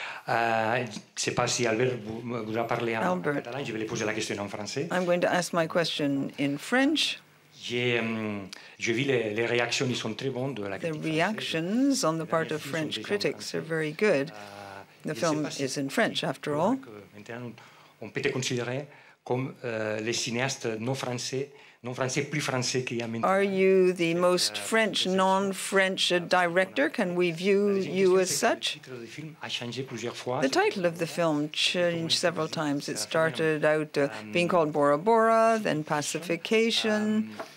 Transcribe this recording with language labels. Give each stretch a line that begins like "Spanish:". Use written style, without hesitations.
French: Je sais pas si Albert voudra parler en Albert, catalan, je vais lui poser la question en français.
English: I'm going to ask my question in French.
French: J'ai vu les réactions, ils sont très bonnes de la critique.
English: The reactions on the part of French critics are very good. The film is in French, after all.
French: Maintenant, on peut être considéré comme les cinéastes non français.
English: Are you the most French, non-French director? Can we view you as such? The title of the film changed several times. It started out being called Bora Bora, then Pacification.